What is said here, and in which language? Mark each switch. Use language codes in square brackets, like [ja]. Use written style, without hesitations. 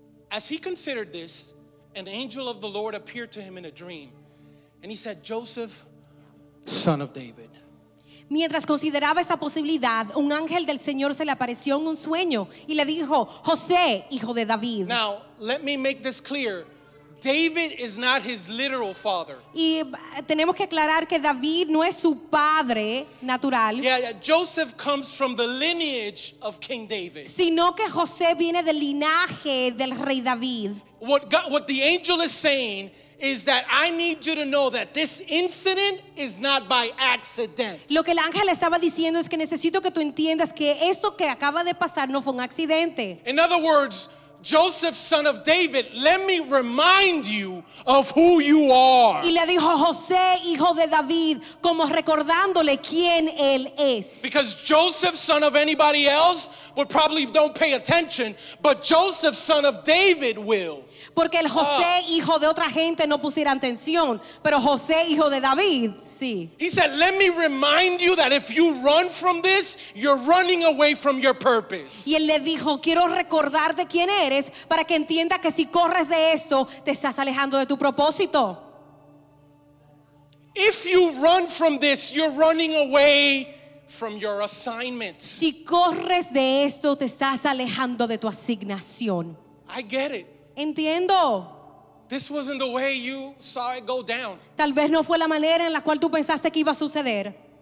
[en] As he considered this, an angel of the Lord appeared to him in a dream. And he said, Joseph, son of David. [es] Mientras consideraba esta posibilidad, un ángel del Señor se le apareció en un sueño y le dijo, José, hijo de David. [en] Now, let me make this clear. David is not his literal father. [es] Y tenemos que aclarar que David no es su padre natural. [en] Yeah, Joseph comes from the lineage of King David. [es] Sino que José viene del linaje del rey David. [en] What the angel is saying is that I need you to know that this incident is not by accident. [es] Lo que el ángel estaba diciendo es que necesito que tú entiendas que esto que acaba de pasar no fue un accidente. [en] In other words, Joseph, son of David, let me remind you of who you are. [es] Y le dijo José, hijo de David, como recordándole quién él es. [en] Because Joseph, son of anybody else, would probably don't pay attention, but Joseph, son of David, will. [es] Porque el José, hijo de otra gente, no pusiera atención. Pero José, hijo de David, sí. [en] He said, let me remind you that if you run from this, you're running away from your purpose. [es] Y él le dijo, quiero recordarte quién eres para que entienda que si corres de esto, te estás alejando de tu propósito. [en] If you run from this, you're running away from your assignment. [es] Si corres de esto, te estás alejando de tu asignación. [en] I get it. [es] Entiendo. [en] This wasn't the way you saw it go down. [es] Tal vez no fue la manera en la cual tú pensaste que iba a suceder.